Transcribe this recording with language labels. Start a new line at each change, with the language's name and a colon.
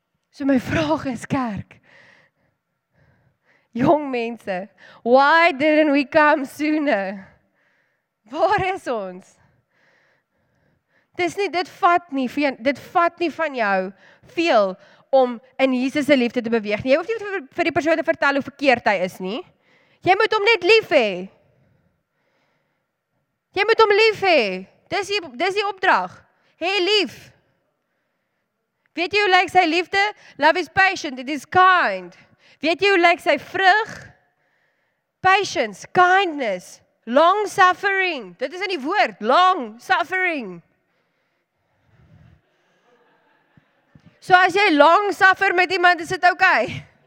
Afrikaans: So my vraag is, kerk, jong mense,
English: why didn't we come sooner?
Afrikaans: Waar is ons? Dit vat nie van jou veel om in Jesus se liefde te beweeg. Jy hoef nie vir die persoon te vertel hoe verkeerd hy is nie. Jy moet hom net lief hê. Jy moet hom lief hê. Dis die opdrag. Hê lief. Weet jy hoe lyk sy liefde?
English: Love is patient, it is kind.
Afrikaans: Weet jy hoe lyk sy vrug?
English: Patience, kindness, long suffering.
Afrikaans: Dit is in die woord,
English: long suffering.
Afrikaans: So as jy lang suffer met iemand, is dit okay.